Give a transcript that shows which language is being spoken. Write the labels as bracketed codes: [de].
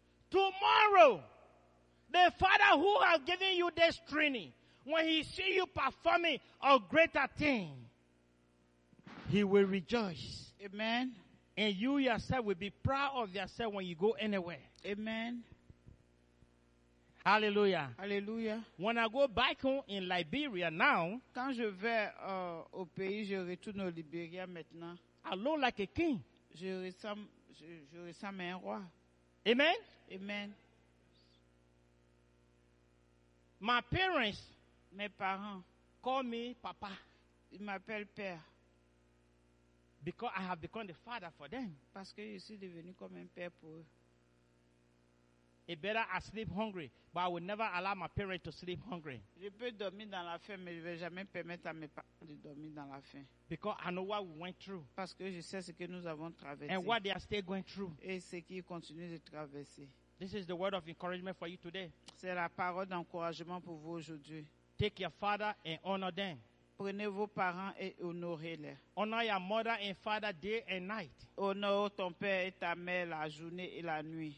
[en] Tomorrow, the father who has given you this training, when he sees you performing a greater thing, he will rejoice. Amen. And you yourself will be proud of yourself when you go anywhere. Amen. Hallelujah. Hallelujah. When I go back home in Liberia now, [fr] quand je vais au pays, je retourne au Liberia maintenant. [en] I look like a king. [fr] Je ressemble à un roi. [en] Amen. Amen. My parents, [fr] mes parents, [en] call me papa. [fr] Ils m'appellent père. [en] Because I have become the father for them. [fr] Parce que je suis devenu comme un père pour eux. [en] It better I sleep hungry, but I will never allow my parents to sleep hungry. [fr] Je peux dormir dans la faim, mais je vais jamais permettre à mes parents de dormir dans la faim. [en] Because I know what we went through. [fr] Parce que je sais ce que nous avons traversé. [en] And what they are still going through. [fr] Et ce qu'ils continuent de traverser. [en] This is the word of encouragement for you today. [fr] C'est la parole d'encouragement pour vous aujourd'hui. [en] Take your father and honor them. [fr] Prenez vos parents et honorez-les. [en] Honor your mother and father day and night. [fr] Honore ton père et ta mère la journée et la nuit.